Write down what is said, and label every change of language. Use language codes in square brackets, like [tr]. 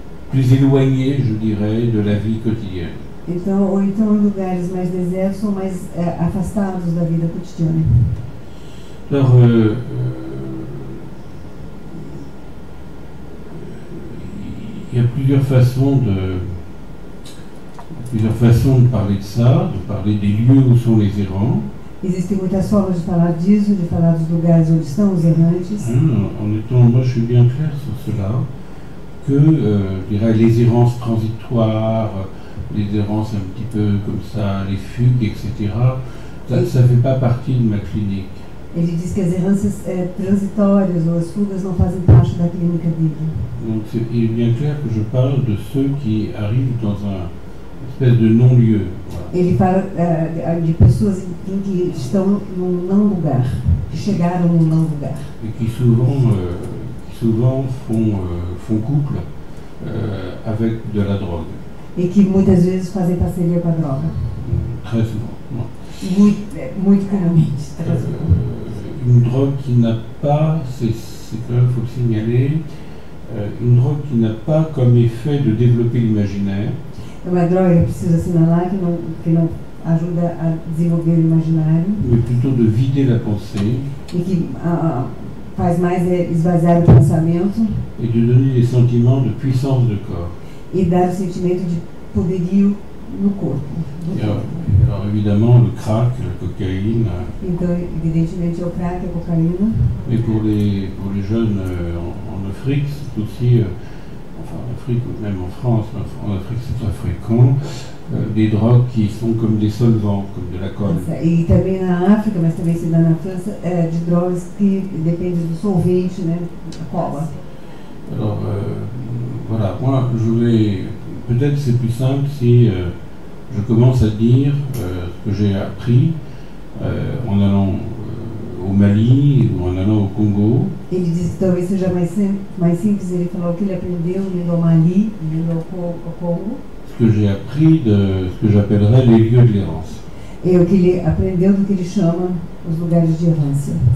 [fr] Plus éloigné, je dirais, de la vie quotidienne. [pt] Então, ou então em lugares mais desertos ou mais afastados da vida cotidiana. [fr] Alors, il y a plusieurs façons de parler de ça, de parler des lieux où sont les errants. [pt] Existem muitas formas de falar disso, de falar dos lugares onde estão os errantes. [fr] En étant, moi, je suis bien clair sur cela, que dirais les errances transitoires, les errances un petit peu comme ça, les fugues, etc. Ça ne fait pas partie de ma clinique. [pt] Ele diz que as errâncias transitórias ou as fugas não fazem parte da clínica dele. [fr] Donc, il est bien clair que je parle de ceux qui arrivent dans un espèce de non-lieu. [pt] Ele fala de pessoas que estão num não lugar, que chegaram num não lugar. [fr] E que souvent font couple avec de la drogue. [pt] E que muitas vezes fazem parceria com a droga. [fr] Très souvent. [pt] Muito comumente. [fr] Une drogue qui n'a pas, c'est quand même, faut le signaler, une drogue qui n'a pas comme effet de développer l'imaginaire. [pt] É uma droga que precisa assinalar que não ajuda a desenvolver o imaginário. [fr] Mais plutôt de vider la pensée. [pt] E que faz mais esvaziar o pensamento. [fr] Et de donner des sentiments de puissance de corps. [pt] E dar o sentimento de poderio no corpo. [fr] Alors évidemment le crack, la cocaïne. [pt] Então evidentemente o crack, a cocaína. [fr] Mais pour les jeunes en Afrique, c'est aussi enfin, en Afrique ou même en France, en Afrique c'est très fréquent, des drogues qui sont comme des solvants, comme de la colle. [pt] Et também na África, mas também se dá na França, de drogas que dependem do solvente, né, a cola. [fr] Alors, voilà, moi je vais, peut-être c'est plus simple si je commence à dire ce que j'ai appris en allant au Mali ou en allant au Congo. Il dit que [pt] talvez seja mais simples, il falou que ele aprendeu indo ao Mali, indo ao Congo. [fr] Ce que j'ai appris de ce que j'appellerais les lieux de l'errance. [pt] Et o que ele aprendeu do que ele chama os lugares de errância.